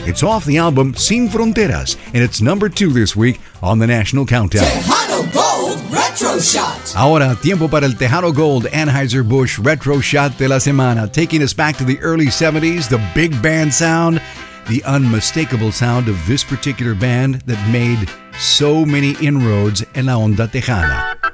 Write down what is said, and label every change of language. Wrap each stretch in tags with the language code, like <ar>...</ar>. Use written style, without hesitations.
<en>It's off the album Sin Fronteras, and it's number 2 this week on the National Countdown. Tejano Gold Retro Shot.</en> <es>Ahora, tiempo para el Tejano Gold Anheuser-Busch Retro Shot de la Semana.</es> <en>Taking us back to the early 70s, the big band sound, the unmistakable sound of this particular band that made so many inroads</en> <es>en la onda tejana.</es>